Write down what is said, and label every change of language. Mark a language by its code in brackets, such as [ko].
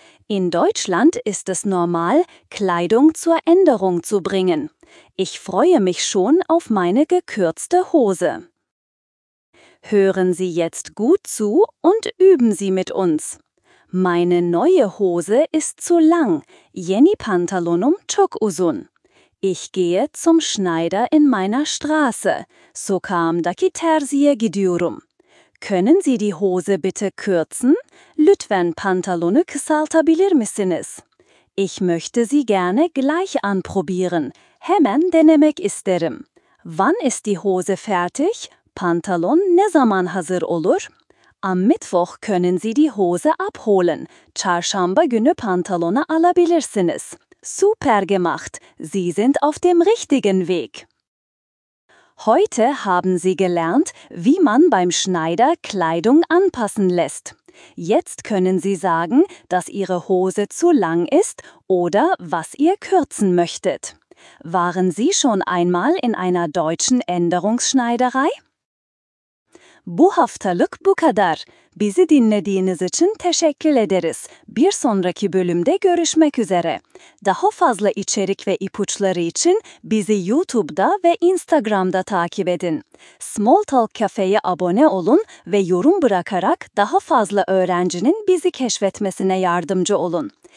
[de] In Deutschland ist es normal, Kleidung zur Änderung zu bringen. Ich freue mich schon auf meine gekürzte Hose. Hören Sie jetzt gut zu und üben Sie mit uns. Meine neue Hose ist zu lang. [tr] Yeni pantalonum çok uzun. [de] Ich gehe zum Schneider in meiner Straße. [tr] Sokağımdaki terziye gidiyorum. [de] Können Sie die Hose bitte kürzen? [tr] Lütfen pantalonu kısaltabilir misiniz? [de] Ich möchte sie gerne gleich anprobieren. [tr] Hemen denemek isterim. [de] Wann ist die Hose fertig? [tr] Pantalon ne zaman hazır olur? [de] Am Mittwoch können Sie die Hose abholen. [tr] Çarşamba günü pantalonu alabilirsiniz. [de] Super gemacht! Sie sind auf dem richtigen Weg. Heute haben Sie gelernt, wie man beim Schneider Kleidung anpassen lässt. Jetzt können Sie sagen, dass Ihre Hose zu lang ist oder was Ihr kürzen möchtet. Waren Sie schon einmal in einer deutschen Änderungsschneiderei? [tr] Bu haftalık bu kadar. Bizi dinlediğiniz için teşekkür ederiz. Bir sonraki bölümde görüşmek üzere. Daha fazla içerik ve ipuçları için bizi YouTube'da ve Instagram'da takip edin. Small Talk Cafe'ye abone olun ve yorum bırakarak daha fazla öğrencinin bizi keşfetmesine yardımcı olun.